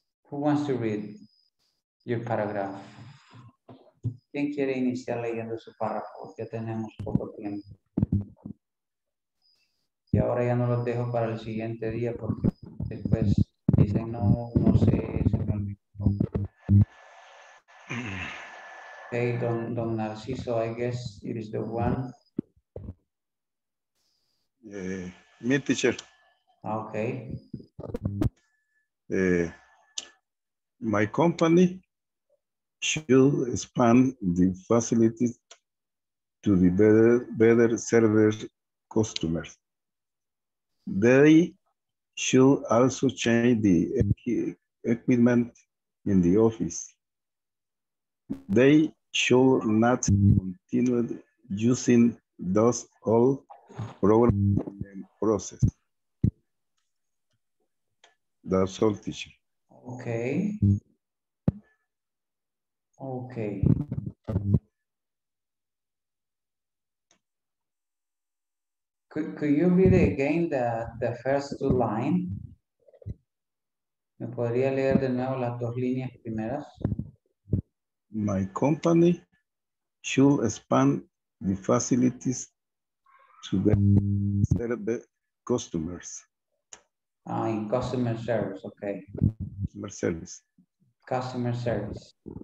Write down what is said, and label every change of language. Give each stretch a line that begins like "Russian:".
English: Who wants to read your paragraph?
Spanish: ¿Quién quiere iniciar leyendo su párrafo? Ya tenemos poco tiempo. Y ahora ya no los dejo para el siguiente día porque después dicen no, no sé, se me olvidó.
English: Hey, don Narciso, I guess it is the one. Me, teacher. Okay. My company should expand the facilities to the better serve customers. They should also change the equipment in the office. They should not continue using those old programs and process. That's all, teacher. Okay. Okay. Could you read again the first two lines?
Spanish: ¿Me podría leer de nuevo las dos líneas primeras?
English: My company should expand the facilities to serve customers. Ah, in customer service, okay. Customer service.